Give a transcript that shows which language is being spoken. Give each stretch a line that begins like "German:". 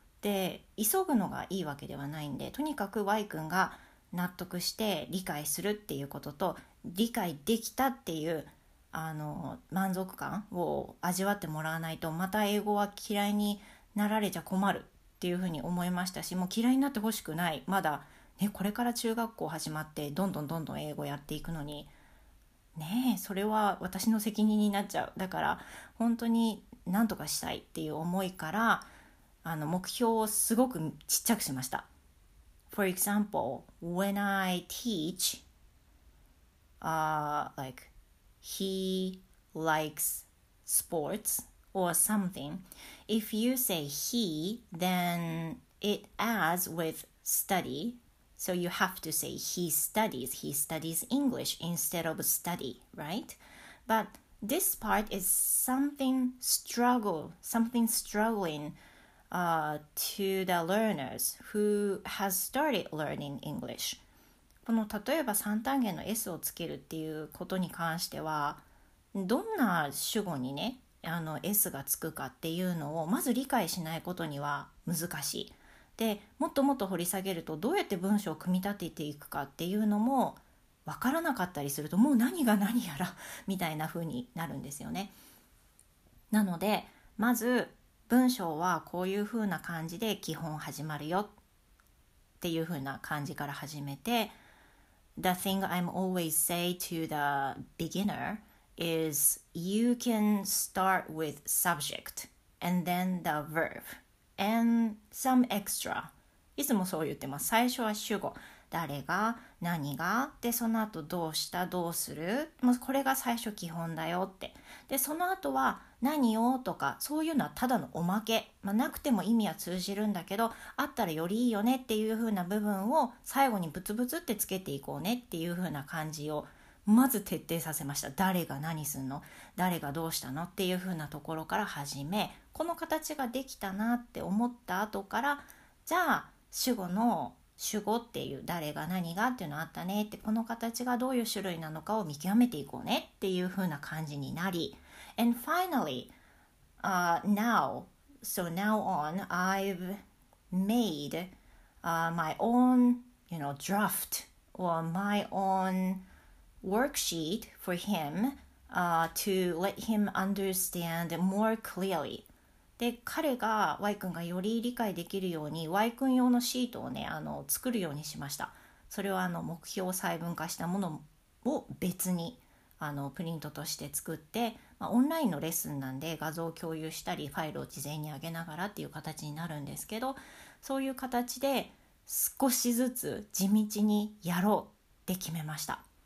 Japanese: で急ぐのがいいわけではないんで、とにかく Y 君が納得して理解するっていうことと、理解できたっていう満足感を味わってもらわないと、また英語は嫌いになられちゃ困るっていうふうに思いましたし、もう嫌いになってほしくない、まだ、ね、これから中学校始まってどんどんどんどん英語やっていくのにね、えそれは私の責任になっちゃう、だから本当に何とかしたいっていう思いから目標をすごくちっちゃくしました。
English: For example, when I teach, like he likes sports or something, if you say he, then it adds with study. So you have to say he studies English instead of study, right? But this part is something struggling to the learners who has started learning English.
Japanese: この例えば三単元の S をつけるっていうことに関しては、どんな主語にね、S がつくかっていうのをまず理解しないことには難しい。で、もっともっと掘り下げるとどうやって文章を組み立てていくかっていうのも分からなかったりすると、もう何が何やらみたいな風になるんですよね。なので、まず文章はこういう風な感じで基本始まるよっていう風な感じから始めて、
English: The thing I'm always say to the beginner is you can start with subject and then the verb. And some extra.
Japanese: いつもそう言ってます。最初は主語。誰が、何が、で、その後どうした、どうする。もうこれが最初基本だよって。で、その後は何をとか、そういうのはただのおまけ。まあ、なくても意味は通じるんだけど、あったらよりいいよねっていう風な部分を最後にブツブツってつけていこうねっていう風な感じをまず徹底させました。誰が何すんの、誰がどうしたのっていう風なところから始め、この形ができたなって思った後から、じゃあ主語の主語っていう誰が何がっていうのあったねって、この形がどういう種類なのかを見極めていこうねっていう風な感じになり、
English: And finally, now on I've made my own, you know, draft or my own worksheet for him to let him understand more clearly.
Japanese: で、彼が Y 君がより理解できるように Y 君用のシートをね、作るようにしました。それは目標細分化したものを別にプリントとして作って、まあ、オンラインのレッスンなんで画像を共有したりファイルを事前に上げながらっていう形になるんですけど、そういう形で少しずつ地道にやろうって決めました。